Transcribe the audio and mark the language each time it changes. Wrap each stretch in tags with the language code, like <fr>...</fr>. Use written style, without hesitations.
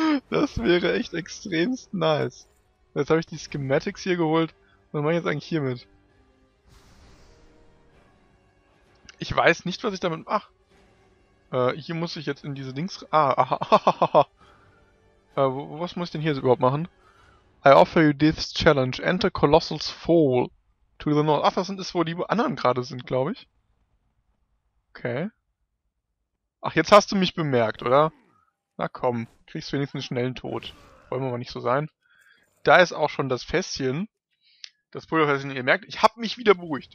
<de>Das wäre echt extremst nice. Jetzt habe ich die Schematics hier geholt. Was mache ich jetzt eigentlich hiermit? Ich weiß nicht, was ich damit... Ach. Hier muss ich jetzt in diese Dings... was muss ich denn hier überhaupt machen?</de> <en>I offer you this challenge. Enter Colossal's Fall to the North.</en> <de>Ach, das sind es, wo die anderen gerade sind, glaube ich. Okay. Ach, jetzt hast du mich bemerkt, oder? Na komm, kriegst du wenigstens einen schnellen Tod. Wollen wir mal nicht so sein. Da ist auch schon das Fässchen. Das Pulverfässchen, ihr merkt, ich habe mich wieder beruhigt.</de>